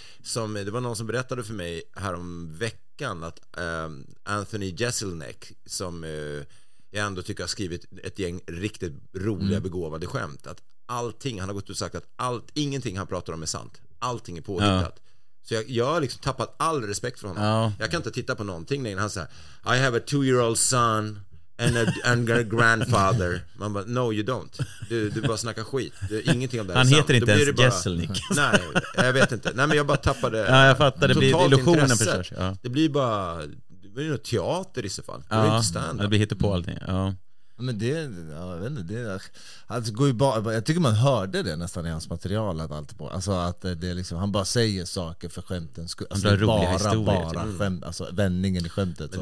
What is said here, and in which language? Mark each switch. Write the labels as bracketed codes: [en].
[sv] Som, det var någon som berättade för mig här om veckan att Anthony Jeselnik, som jag ändå tycker har skrivit ett gäng riktigt roliga begåvade skämt, att allting, han har gått och sagt att allt, ingenting han pratar om är sant, allting är påhittat. Ja. Så jag har liksom tappat all respekt för honom. Ja. Jag kan inte titta på någonting längre. Han säger, [en] I have a 2-year-old son and a grandfather. [sv] Man bara, [en] no you don't. [sv] Du bara snackar skit. Det är ingenting om det. Han heter inte ens Jeselnik. Nej, jag vet inte. Nej, men jag bara tappade. Ja, jag fattar. Det blir illusionen förstås. Ja. Det blir bara, det blir något teater i så fall. Det blir inte stand-up. Det blir hittepå allting. Ja. Men det, ja, jag vet inte, det är, alltså, går ju bara, jag tycker man hörde det nästan i hans material, att allt på, alltså att det är liksom, han bara säger saker för skämten skull, alltså, bara skämt, alltså vändningen i skämtet.